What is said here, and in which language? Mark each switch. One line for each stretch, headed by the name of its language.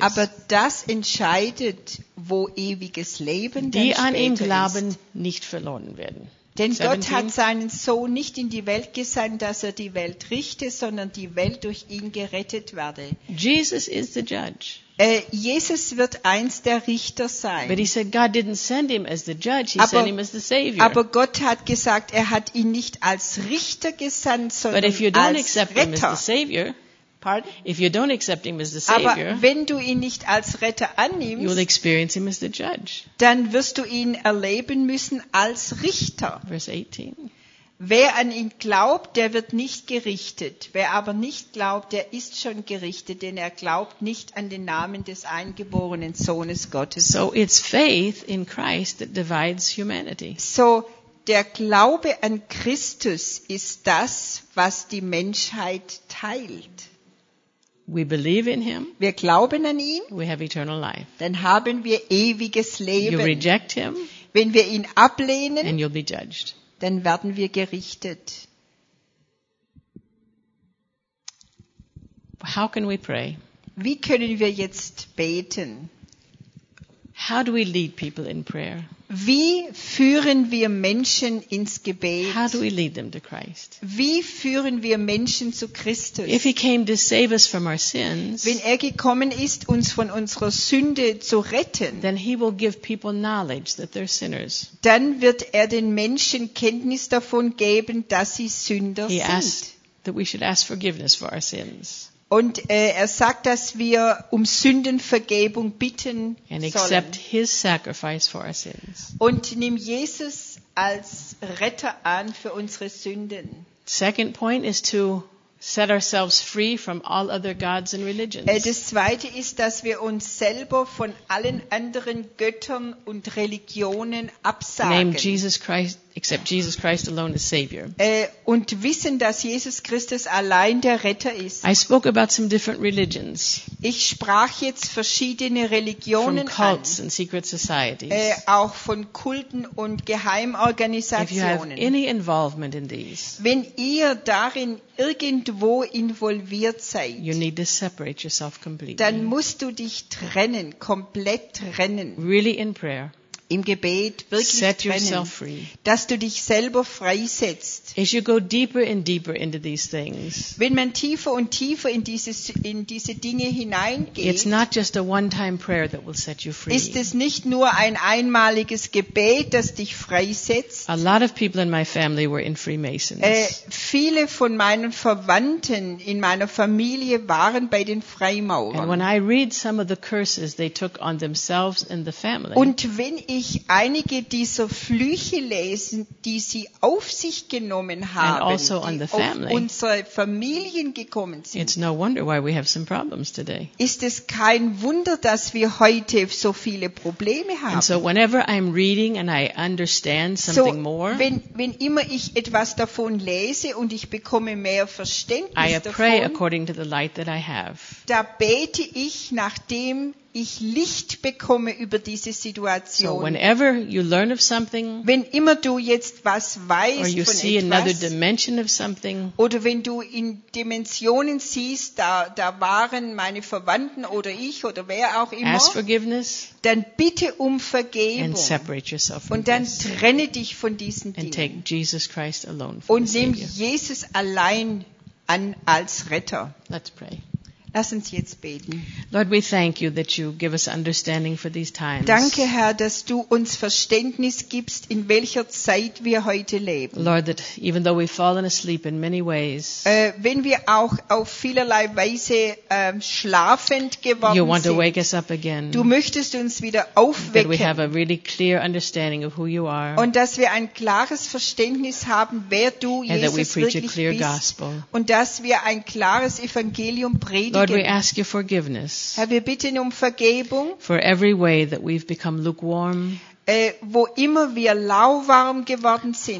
German: Aber das entscheidet, wo ewiges Leben die dann später ist. Die an ihn glauben, nicht verloren werden. Denn 17? Gott hat seinen Sohn nicht in die Welt gesandt, dass er die Welt richte, sondern die Welt durch ihn gerettet werde.
English: Jesus is the judge.
German: Jesus wird einst der Richter sein.
English: But he said God didn't send him as the judge, he sent him as the savior.
German: Aber Gott hat gesagt, er hat ihn nicht als Richter gesandt, sondern
English: but if you don't accept
German: Retter.
English: Him as the savior, pardon? If you don't accept him as the savior,
German: aber wenn du ihn nicht als Retter annimmst,
English: you will experience him as the judge.
German: Dann wirst du ihn erleben müssen als Richter.
English: Verse 18.
German: Wer an ihn glaubt, der wird nicht gerichtet. Wer aber nicht glaubt, der ist schon gerichtet, denn er glaubt nicht an den Namen des eingeborenen Sohnes Gottes.
English: So it's faith in Christ that divides humanity.
German: So der Glaube an Christus ist das, was die Menschheit teilt.
English: We believe in him.
German: Wir glauben an ihn.
English: We have eternal life.
German: Dann haben wir ewiges Leben.
English: You reject him.
German: Wenn wir ihn ablehnen,
English: and you'll be judged.
German: Dann werden wir gerichtet.
English: How can we pray?
German: Wie können wir jetzt beten?
English: How do we lead people in prayer?
German: Wie führen wir Menschen ins Gebet?
English: How do we lead them to Christ?
German: Wie führen wir Menschen zu Christus?
English: If he came to save us from our sins,
German: wenn er gekommen ist, uns von unserer Sünde zu retten,
English: then he will give people knowledge that they're sinners.
German: Dann wird er den Menschen Kenntnis davon geben, dass sie Sünder
English: he
German: sind.
English: Asked that we should ask forgiveness for our sins.
German: Und er sagt, dass wir um Sündenvergebung bitten
English: and
German: sollen.
English: Accept his sacrifice for our sins.
German: Und nimm Jesus als Retter an für unsere Sünden.
English: Second point is to set ourselves free from all other gods and religions.
German: Das zweite ist, dass wir uns selber von allen anderen Göttern und Religionen absagen.
English: Name Jesus Christ, except Jesus Christ alone as Savior.
German: Und wissen, dass Jesus Christus allein der Retter ist.
English: I spoke about some different religions.
German: Ich sprach jetzt verschiedene Religionen
English: from cults
German: an.
English: And secret societies.
German: Auch von Kulten und Geheimorganisationen.
English: If you have any involvement in these,
German: wenn ihr darin irgendwo involviert seid,
English: you need to separate yourself completely.
German: Dann musst du dich trennen, komplett trennen.
English: Really in prayer.
German: Im Gebet wirklich
English: set
German: trennen,
English: yourself free.
German: Dass du dich selber freisetzt.
English: As you go deeper and deeper into these things,
German: wenn man tiefer und tiefer in diese Dinge hineingeht,
English: it's not just a one-time prayer that will set you free.
German: Ist es nicht nur ein einmaliges Gebet, das dich freisetzt?
English: A lot of people in my family were in Freemasons.
German: Viele von meinen Verwandten in meiner Familie waren bei den Freimaurern.
English: And when I read some of the curses they took on themselves and the family,
German: und wenn ich einige dieser Flüche lesen, die sie auf sich genommen haben,
English: also
German: die
English: family,
German: auf unsere Familien gekommen sind,
English: it's no wonder why we have some problems today.
German: Ist es kein Wunder, dass wir heute so viele Probleme haben.
English: And so whenever I'm reading and I understand something more,
German: wenn immer ich etwas davon lese und ich bekomme mehr Verständnis
English: I pray
German: davon,
English: according to the light that I have.
German: Da bete ich nach dem, ich Licht bekomme über diese Situation.
English: So whenever you learn of something,
German: wenn immer du jetzt was weißt
English: or you
German: von
English: see
German: etwas,
English: another dimension of something,
German: oder wenn du in Dimensionen siehst, da waren meine Verwandten oder ich oder wer auch immer,
English: ask forgiveness,
German: dann bitte um Vergebung
English: and separate yourself from
German: und dann
English: this.
German: Trenne dich von diesen Dingen
English: and take Jesus Christ alone
German: und nimm Jesus allein an als Retter.
English: Let's pray.
German: Lass uns jetzt beten.
English: Lord, we thank you that you give us understanding for these times.
German: Danke, Herr, dass du uns Verständnis gibst, in welcher Zeit wir heute leben.
English: Lord, that even though we've fallen asleep in many ways,
German: wenn wir auch auf vielerlei Weise schlafend geworden sind,
English: you want to wake us up again.
German: Du möchtest uns wieder aufwecken.
English: That we have a really clear understanding of who you are.
German: Und dass wir ein klares Verständnis haben, wer du, Jesus, wirklich bist. Und dass wir ein klares Evangelium predigen.
English: Lord, we ask your forgiveness.
German: Herr, wir bitten um Vergebung.
English: For every way that we've become lukewarm.
German: Wo immer wir lauwarm geworden sind.